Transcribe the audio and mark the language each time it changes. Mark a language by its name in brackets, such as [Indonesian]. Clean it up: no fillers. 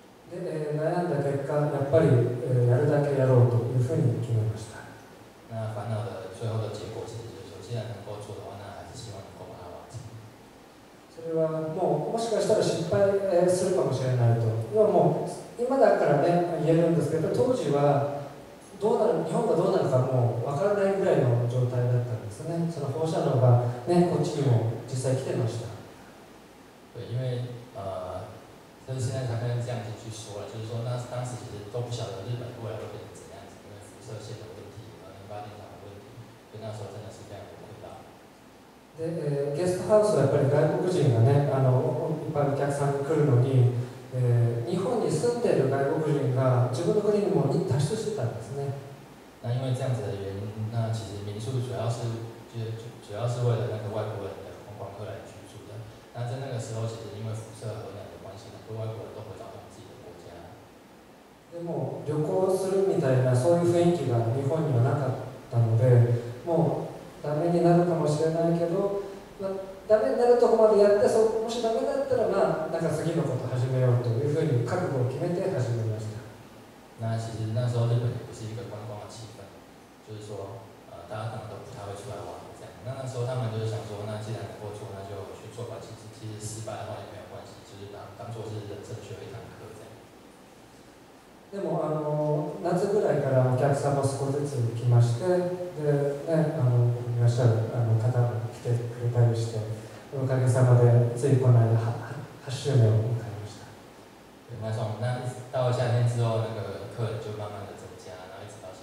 [Japanese] で、悩んだ結果、やっぱり、やるだけやろうというふうに決めました。 [Chinese] 那烦恼的最后的结果其实就是说，既然能够做的话，那还是希望能够把它完成。 [Japanese] それはもうもしかしたら失敗するかもしれないと。要はもう今だからね言えるんですけど、当時はどうなる日本がどうなるかもう分からないぐらいの状態だったんですね。その放射能がねこっちにも実際来てました。 [Chinese] 对，因为就是现在才跟这样子去说了，就是说那当时其实都不晓得日本未来会变成怎样子，因为辐射线的问题，淋巴电厂的问题，所以那时候真的是非常的困扰。 [Japanese] で、ゲストハウスはやっぱり外国人がね、一般のお客さんが来るのに、日本に住んでいる外国人が自分の国にも脱出してたんですね。 [Chinese] 那因为这样子的原因，那其实民宿主要是为了那个外国人的观光客来居住的。那在那个时候，其实因为辐射核能的关系，很多外国人都回到他们自己的国家。でも旅行するみたいなそういう雰囲気が日本にはなかったので、もうダメになるかもしれないけど、まあ、ダメになるところまでやって、そもしダメだったらまあなんか次のこと始めようというふうに覚悟を決めて始めました。那其实那时候日本也不是一个观光的气氛，就是说，大家可能都不太会出来玩。那时候他们就是想说，那既然能够做，那就去做吧。其实失败的话也没有关系，就是当做是人生学一堂课这样。 [Japanese] でも夏ぐらいからお客さんも少しずつ来まして、でねいらっしゃる方も来てくれたりして、おかげさまでついこの間8周年を迎えました。 [Chinese] 那从那到夏天之后，那个客人就慢慢的增加，然后一直